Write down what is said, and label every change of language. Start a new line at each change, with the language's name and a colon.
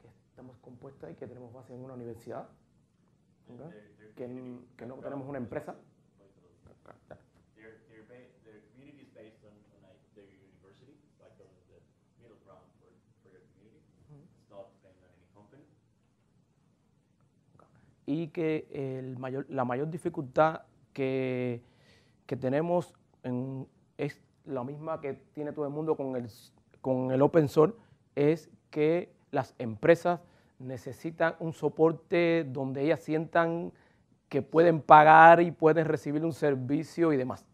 Spanish: Estamos compuestas y que tenemos base en una universidad, okay. que no tenemos una empresa.
English: Their community is based on their university, like the middle ground for your community. It's not based on any company. Okay.
Spanish: Y que la mayor dificultad que tenemos es la misma que tiene todo el mundo con el
English: open source,
Spanish: es que las empresas necesitan un soporte donde ellas sientan que pueden pagar y pueden recibir un servicio y demás.